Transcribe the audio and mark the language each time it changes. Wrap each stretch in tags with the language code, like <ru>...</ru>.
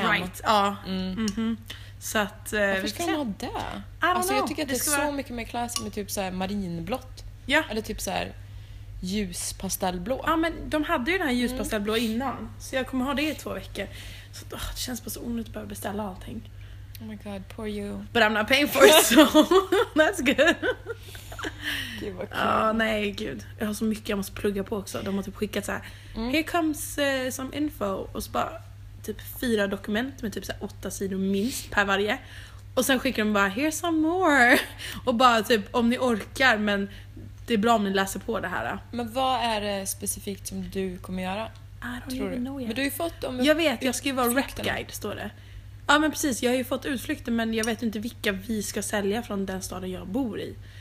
<sv>Bright. Ja. Så att ska man ha det? Alltså jag tycker att det är vara... så mycket mer classy med typ så här marinblått. Ja. Eller typ så här ljuspastellblå. Ja, men de hade ju den här ljuspastellblå innan. Så jag kommer ha det i 2 veckor. Så det känns bara så onödigt att behöva beställa allting.</sv> <en>Oh my god, poor you. But I'm not paying for it, so that's good.</en> <sv>Gud vad kul. Nej, gud. Jag har så mycket jag måste plugga på också. De har typ skickat så här.</sv> <en>Here comes some info.</en> <sv>Och så bara typ 4 dokument med typ så här 8 sidor minst per varje. Och sen skickar de bara,</sv> <en>here's some more.</en> <sv>Och bara typ, om ni orkar, men det är bra om ni läser på det här. Men vad är det specifikt som du kommer göra? Men du har ju fått om jag vet, jag ska ju vara rep guide står det. Ja men precis, jag har ju fått utflykter, men jag vet inte vilka vi ska sälja från den staden jag bor i.</sv>